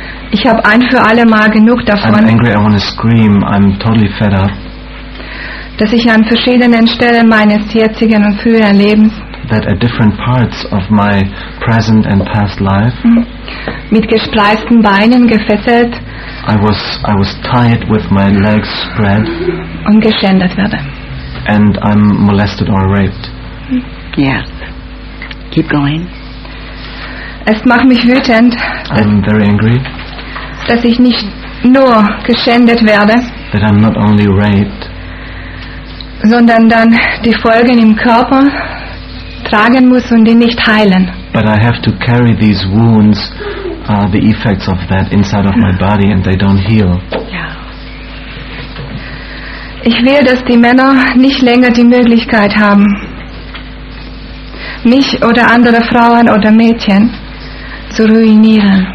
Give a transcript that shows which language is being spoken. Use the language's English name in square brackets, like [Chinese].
[German] Ich habe ein für alle Mal genug davon. [English] I'm angry. I want to scream. I'm totally fed up. [German] Dass ich an verschiedenen Stellen meines jetzigen und früheren Lebens. [English] That at different parts of my present and past life. [German] Mit gespleisten Beinen gefesselt. [English] I was tied with my legs spread. [German] Und geschändert werde. [English] And I'm molested or raped. Yes. Keep going. [German] Es macht mich wütend. [English] I'm very angry. [German] Dass ich nicht nur geschändet werde. [English] That I'm not only raped. [German] Sondern dann die Folgen im Körper tragen muss und die nicht heilen. [English] But I have to carry these wounds, the effects of that inside of my body and they don't heal. [German] Ich will, dass die Männer nicht länger die Möglichkeit haben, mich oder andere Frauen oder Mädchen zu ruinieren.